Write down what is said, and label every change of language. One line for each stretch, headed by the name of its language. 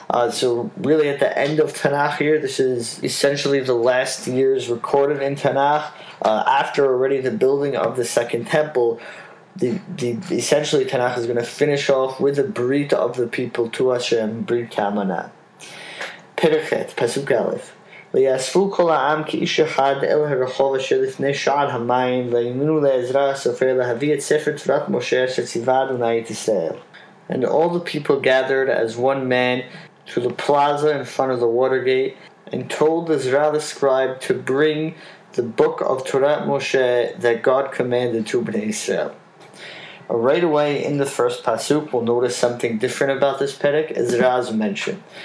English: So really at the end of Tanakh here, this is essentially the last years recorded in Tanakh, after already the building of the Second Temple. The essentially Tanakh is going to finish off with a brit of the people to Hashem, Brit HaManah. Perichet, Pasuk Aleph.
Hebrew: ויאספו כל העם כאיש אחד אל הרחוב אשר לפני שער המים וימינו לעזרא הסופר להביא את ספר תורת משה אשר ציווה אדוני את ישראל.
English: And all the people gathered as one man to the plaza in front of the water gate and told Ezra the scribe to bring the book of Torah Moshe that God commanded to Bnei Israel. Right away in the first pasuk, we'll notice something different about this perek, Ezra's mention.